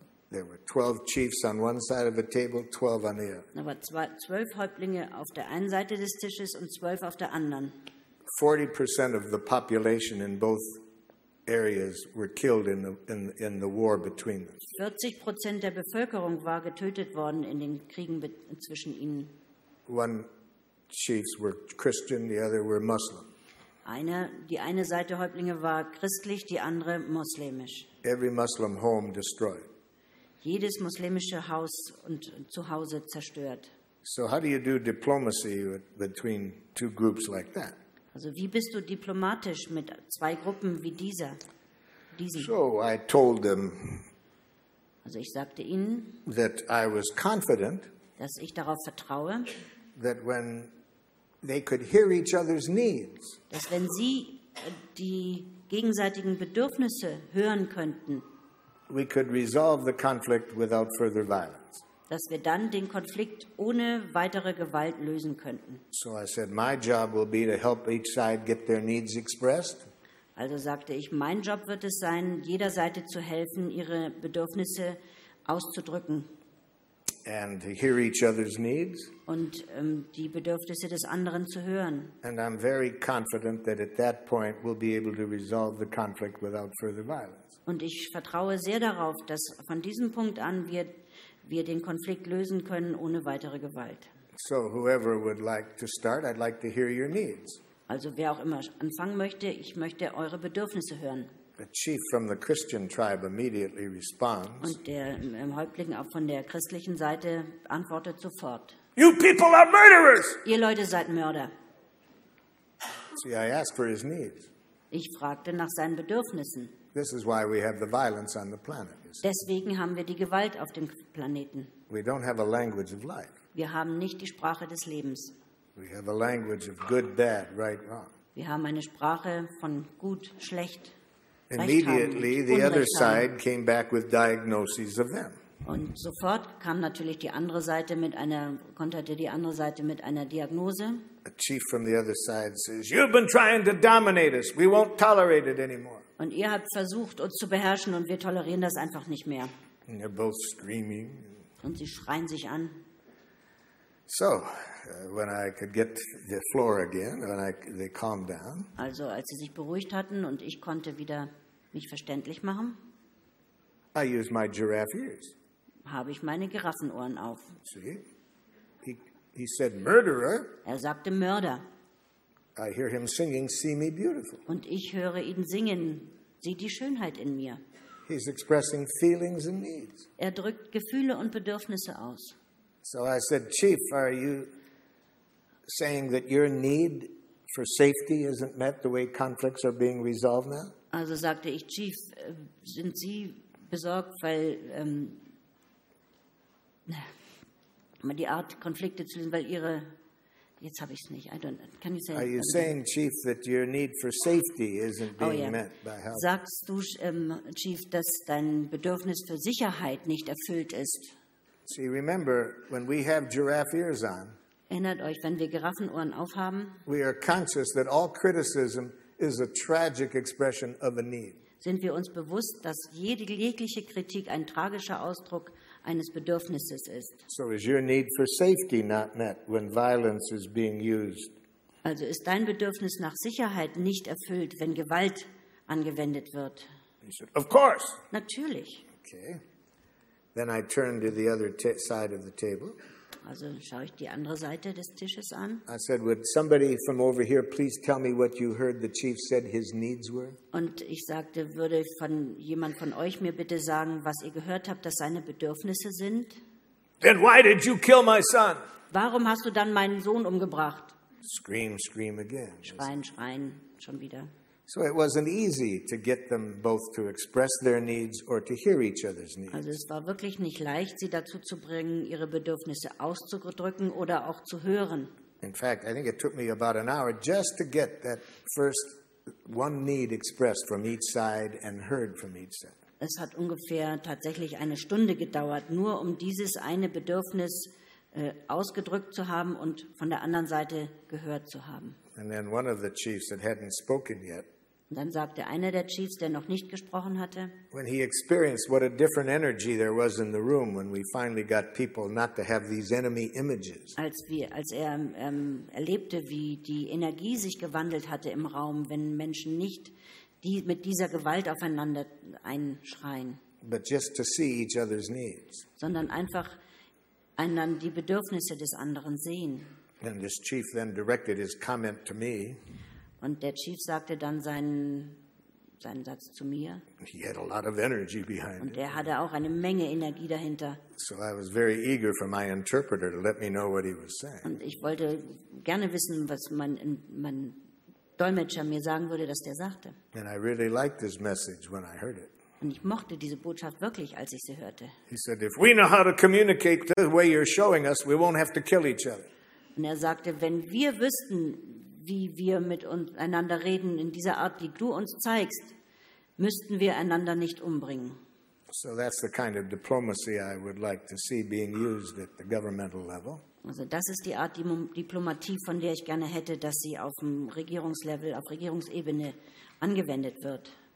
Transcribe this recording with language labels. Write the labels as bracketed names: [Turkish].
[English] There were 12 chiefs on one side of the table, 12 on the other. [German] Da war 12 Häuptlinge auf der einen Seite des Tisches und 12 auf der anderen. [English] 40% of the population in both areas were killed in the war between them. [German] 40% der Bevölkerung war getötet worden in den Kriegen zwischen ihnen. [English] One chiefs were Christian, the other were Muslim. [German] Die eine Seite Häuptlinge war christlich, die andere muslimisch. [English] Every Muslim home destroyed. [German] Jedes muslimische Haus und Zuhause zerstört. [English] So how do you do diplomacy between two groups like that? [German] Also wie bist du diplomatisch mit zwei Gruppen wie dieser? [English] So I told them. [German] Also ich sagte ihnen, [English] that I was confident, [German] dass ich darauf vertraue, [English] that when they could hear each other's needs, [German] dass wenn sie die gegenseitigen Bedürfnisse hören könnten, [English] we could resolve the conflict without further violence. [German] Dass wir dann den Konflikt ohne weitere Gewalt lösen könnten. [English] So I said, my job will be to help each side get their needs expressed. [German] Also sagte ich, mein Job wird es sein, jeder Seite zu helfen, ihre Bedürfnisse auszudrücken. [English] And to hear each other's needs. [German] Und die Bedürfnisse des anderen zu hören. [English] And I'm very confident that at that point we'll be able to resolve the conflict without further violence. [German] Und ich vertraue sehr darauf, dass von diesem Punkt an wir den Konflikt lösen können ohne weitere Gewalt. [English] So whoever would like to start, I'd like to hear your needs. [German] Also wer auch immer anfangen möchte, ich möchte eure Bedürfnisse hören. [English] A chief from the Christian tribe immediately responds. [German] Und der Häuptling auch von der christlichen Seite antwortet sofort. [English] You people are murderers! [German] Ihr Leute seid Mörder. [English] See, I asked for his needs. [German] Ich fragte nach seinen Bedürfnissen. [English] This is why we have the violence on the planet. [German] Deswegen haben wir die Gewalt auf dem Planeten. [English] We don't have a language of life. [German] Wir haben nicht die Sprache des Lebens. [English] We have a language of good, bad, right, wrong. [German] Wir haben eine Sprache von gut, schlecht. [English] Immediately, the other side came back with diagnoses of them. [German] Und sofort kam natürlich die andere Seite mit einer konterte die andere Seite mit einer Diagnose. [English] A chief from the other side says, "You've been trying to dominate us. We won't tolerate it anymore." [German] Und ihr habt versucht, uns zu beherrschen, und wir tolerieren das einfach nicht mehr. [English] And they're both screaming. [German] Und sie schreien sich an. [English] So, when I could get the floor again, when they calmed down. [German] Also, als sie sich beruhigt hatten und ich konnte wieder mich verständlich machen. [English] I use my giraffe ears. [German] Habe ich meine Giraffenohren auf. [English] See? He said murderer. [German] Er sagte Mörder. [English] I hear him singing, "See me beautiful." [German] Und ich höre ihn singen, "Sieh die Schönheit in mir." [English] He's expressing feelings and needs. [German] Er drückt Gefühle und Bedürfnisse aus. [English] So I said, "Chief, are you saying that your need for safety isn't met the way conflicts are being resolved now?" [German] Also sagte ich, "Chief, sind Sie besorgt, weil die Art Konflikte zu lösen, weil Ihre Jetzt habe ich es nicht. [English] Can you say Are you anything? Saying, Chief, that your need for safety isn't being met by help? [German] Sagst du, Chief, dass dein Bedürfnis für Sicherheit nicht erfüllt ist? [English] See, remember, when we have giraffe ears on, [German] erinnert euch, wenn wir Giraffenohren aufhaben, [English] we are conscious that all criticism is a tragic expression of a need. [German] Sind wir uns bewusst, dass jede jegliche Kritik ein tragischer Ausdruck eines Bedürfnisses ist. [English] So is your need for safety not met when violence is being used? [German] Also ist dein Bedürfnis nach Sicherheit nicht erfüllt, wenn Gewalt angewendet wird? [English] He said, of course. [German] Natürlich. [English] Okay. Then I turned to the other side of the table. [German] Also schaue ich die andere Seite des Tisches an. [English] I said, would somebody from over here please tell me what you heard the chief said his needs were? [German] Und ich sagte, würde von jemand von euch mir bitte sagen, was ihr gehört habt, dass seine Bedürfnisse sind? [English] Then why did you kill my son? [German] Warum hast du dann meinen Sohn umgebracht? [English] Scream, scream again. [German] Schreien, schreien, schon wieder. [English] So it wasn't easy to get them both to express their needs or to hear each other's needs. [German] Also es war wirklich nicht leicht, sie dazu zu bringen, ihre Bedürfnisse auszudrücken oder auch zu hören. [English] In fact, I think it took me about an hour just to get that first one need expressed from each side and heard from each side. [German] Es hat ungefähr tatsächlich eine Stunde gedauert, nur um dieses eine Bedürfnis ausgedrückt zu haben und von der anderen Seite gehört zu haben. [English] And then one of the chiefs that hadn't spoken yet. [German] Und dann sagte einer der Chiefs, der noch nicht gesprochen hatte. [English] When he experienced what a different energy there was in the room when we finally got people not to have these enemy images. [German] Als er erlebte, wie die Energie sich gewandelt hatte im Raum, wenn Menschen nicht die mit dieser Gewalt aufeinander einschreien. [English] But just to see each other's needs. [German] Sondern einfach einander die Bedürfnisse des anderen sehen. [English] And this chief then directed his comment to me. [German] Und der Chief sagte dann seinen Satz zu mir. [English] He had a lot of energy behind [German] it. Und er hatte auch eine Menge Energie dahinter. [English] So I was very eager for my interpreter to let me know what he was saying. [German] Und ich wollte gerne wissen, was mein Dolmetscher mir sagen würde, dass der sagte. [English] And I really liked this message when I heard it. [German] Und ich mochte diese Botschaft wirklich, als ich sie hörte. [English] He said, if we know how to communicate the way you're showing us, we won't have to kill each other. [German] Und er sagte, wenn wir wüssten, wie wir miteinander reden, in dieser Art, die du uns zeigst, müssten wir einander nicht umbringen. [English] So that's the kind of diplomacy I would like to see being used at the governmental level. [German] Also das ist die Art Diplomatie, von der ich gerne hätte, dass sie auf dem Regierungslevel, auf Regierungsebene angewendet wird.